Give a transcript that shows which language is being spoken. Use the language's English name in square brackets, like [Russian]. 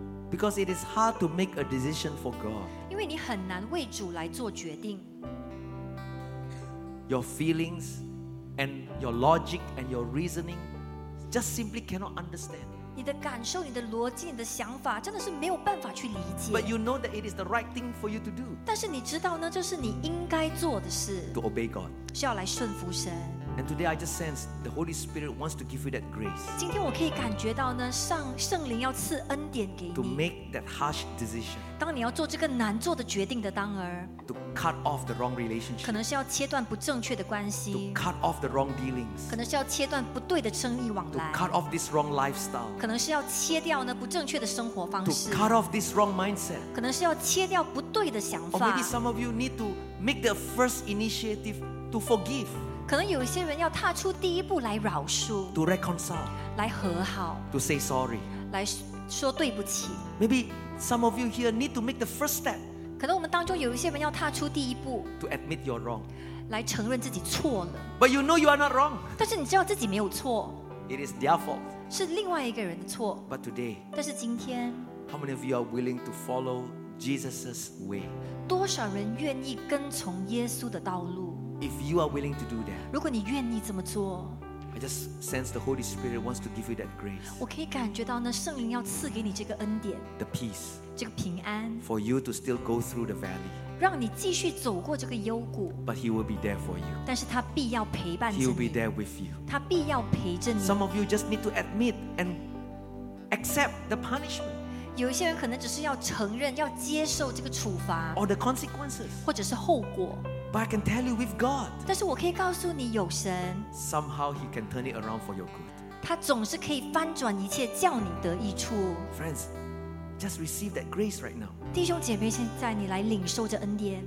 [English] Because it is hard to make a decision for God. [Chinese] 因为你很难为主来做决定。 [English] Your feelings and your logic and your reasoning just simply cannot understand. [Chinese] 你的感受你的逻辑你的想法真的是没有办法去理解 [English] But you know that it is the right thing for you to do [Chinese] 但是你知道呢这是你应该做的事 [English] To obey God [Chinese] 是要来顺服神 [English] And today I just sense the Holy Spirit wants to give you that grace [Chinese] 今天我可以感觉到呢上圣灵要赐恩典给你 [English] To make that harsh decision [Chinese] 当你要做这个难做的决定的当儿 [English] To cut off the wrong relationship [Chinese] 可能是要切断不正确的关系 [English] To cut off the wrong dealings [Chinese] 可能是要切断不对的生意往来 [English] To cut off this wrong lifestyle [Chinese] 可能是要切掉呢不正确的生活方式 [English] To cut off this wrong mindset [Chinese] 可能是要切掉不对的想法 [English] Or maybe some of you need to make the first initiative to forgive [Chinese] 可能有些人要踏出第一步来饶恕 [English] to reconcile [Chinese] 来和好 [English] to say sorry [Chinese] 来说对不起 [English] maybe some of you here need to make the first step [Chinese] 可能我们当中有一些人要踏出第一步 [English] to admit you're wrong [Chinese] 来承认自己错了 [English] but you know you are not wrong [Chinese] 但是你知道自己没有错 [English] it is their fault [Chinese] 是另外一个人的错 [English] but today [Chinese] 但是今天 [English] how many of you are willing to follow Jesus' way [Chinese] 多少人愿意跟从耶稣的道路 [English] If you are willing to do that, [Chinese] 如果你愿意这么做 [English] I just sense the Holy Spirit wants to give you that grace. [Chinese] 我可以感觉到呢，圣灵要赐给你这个恩典 [English] The peace. [Chinese] 这个平安 [English] For you to still go through the valley. [Chinese] 让你继续走过这个幽谷 [English] But he will be there for you. [Chinese] 但是他必要陪伴着你 [English] He will be there with you. [Chinese] 他必要陪着你 [English] Some of you just need to admit and accept the punishment. [Chinese] 有一些人可能只是要承认，要接受这个处罚 [English] Or the consequences. [Chinese] 或者是后果 [English] But I can tell you with God. [Chinese] 但是我可以告诉你有神 [English] Somehow he can turn it around for your good. [Chinese] 他总是可以翻转一切叫你得益处 [English] Friends, just receive that grace right now. [Chinese] 弟兄姐妹现在你来领受这恩典